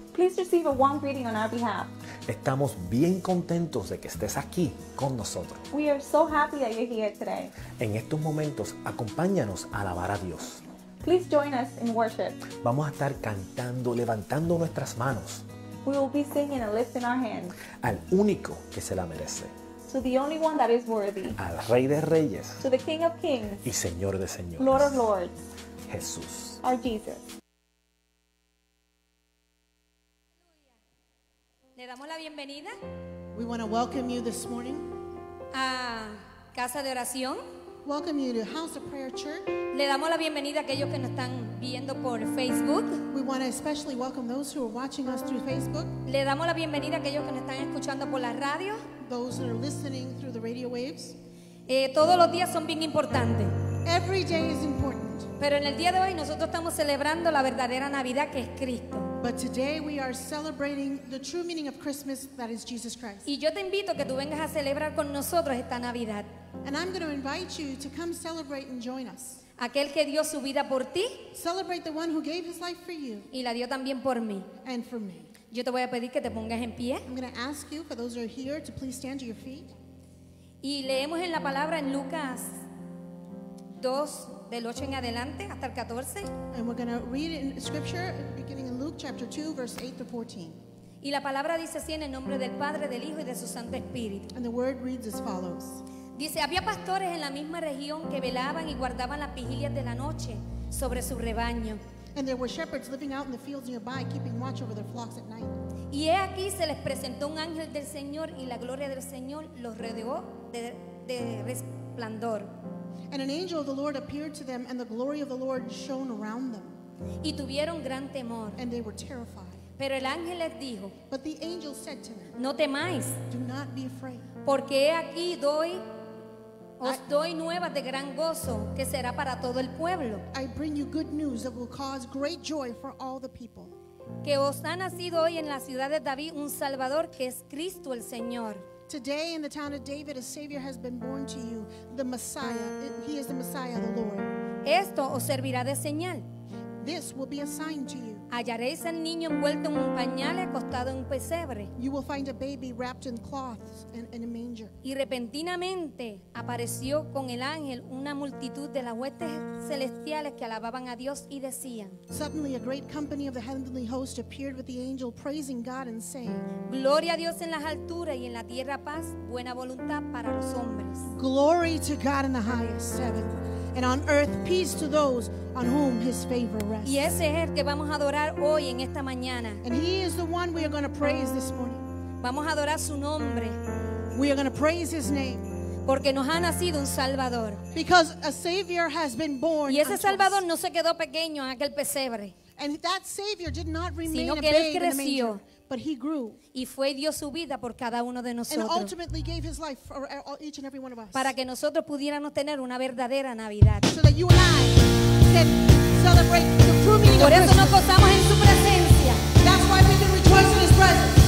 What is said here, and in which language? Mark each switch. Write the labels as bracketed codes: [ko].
[en] Please receive a warm greeting on our behalf. [es] Estamos bien contentos de que estés aquí con nosotros. [en] We are so happy that you're here today. [es] En estos momentos, acompáñanos a alabar a Dios. [en] Please join us in worship. [es] Vamos a estar cantando, levantando nuestras manos. [en] We will be singing and lifting our hands. [es] Al único que se la merece. [en] To the only one that is worthy. [es] Al Rey de Reyes. [en] To the King of Kings. [es] Y Señor de Señores. [en] Lord of Lords. [es] Jesús. [en] Our Jesus. [es] bienvenida. [en] We want to welcome you this morning. [es] A Casa de Oración. [en] Welcome you to House of Prayer Church. [es] Le damos la bienvenida a aquellos que nos están viendo por Facebook. [en] We want to especially welcome those who are watching us through Facebook. [es] Le damos la bienvenida a aquellos que nos están escuchando por la radio. [en] Those that are listening through the radio waves. [es] Todos los días son bien importantes. [en] Every day is important. [es] Pero en el día de hoy nosotros estamos celebrando la verdadera Navidad, que es Cristo. [en] But today we are celebrating the true meaning of Christmas, that is Jesus Christ. [es] Y yo te invito que tú vengas a celebrar con nosotros esta Navidad. [en] And I'm going to invite you to come celebrate and join us. [es] Aquel que dio su vida por ti. [en] Celebrate the one who gave his life for you. [es] Y la dio también por mí. [en] And for me. [es] Yo te voy a pedir que te pongas en pie. [en] I'm going to ask you, for those who are here, to please stand to your feet. [es] Y leemos en la palabra en Lucas 2, del 8 en adelante hasta el 14. [en] And we're going to read it in scripture beginning in Luke chapter 2, verse 8 to 14. [es] Y la palabra dice así, en el nombre del Padre, del Hijo y de su Santo Espíritu. [en] And the word reads as follows. [es] Dice, había pastores en la misma región que velaban y guardaban las vigilias de la noche sobre su rebaño. [en] And there were shepherds living out in the fields nearby, keeping watch over their flocks at night. [es] Y he aquí, se les presentó un ángel del Señor, y la gloria del Señor los rodeó de resplandor. [en] And an angel of the Lord appeared to them, and the glory of the Lord shone around them. [es] Y tuvieron gran temor. [en] And they were terrified. [es] Pero el ángel les dijo, [en] but the angel said to them, [es] no temáis. [en] Do not be afraid. [es] Porque he aquí os doy nuevas de gran gozo, que será para todo el pueblo. [en] I bring you good news that will cause great joy for all the people. [es] Que os ha nacido hoy en la ciudad de David un Salvador, que es Cristo el Señor. [en] Today in the town of David a Savior has been born to you, the Messiah. He is the Messiah, the Lord. [es] Esto os servirá de señal. [en] This will be a sign to you. [es] Hallaréis al niño envuelto en un pañal y acostado en un pesebre. [en] You will find a baby wrapped in cloths and in a manger. [es] Y repentinamente apareció con el ángel una multitud de las huestes celestiales que alababan a Dios y decían, [en] suddenly a great company of the heavenly host appeared with the angel praising God and saying, [es] gloria a Dios en las alturas y en la tierra paz, buena voluntad para los hombres. [en] Glory to God in the highest heaven, and on earth peace to those on whom his favor rests. [es] Y ese es el que vamos a adorar hoy en esta mañana. [en] And he is the one we are going to praise this morning. [es] Vamos a adorar su nombre. [en] We are going to praise his name. [es] Porque nos ha nacido un Salvador. [en] Because a Savior has been born. [es] Y ese Salvador no se quedó pequeño en aquel pesebre. [en] And that Savior did not remain a babe. [es] Sino que él creció. [en] But he grew. [es] Y fue y dio su vida por cada uno de nosotros. [en] And ultimately gave his life for each and every one of us. [es] Para que nosotros pudiéramos tener una verdadera Navidad. [en] So that you and I can celebrate the true meaning of Christmas. [es] Por eso nos gozamos en su presencia. [en] That's why we can rejoice in his presence.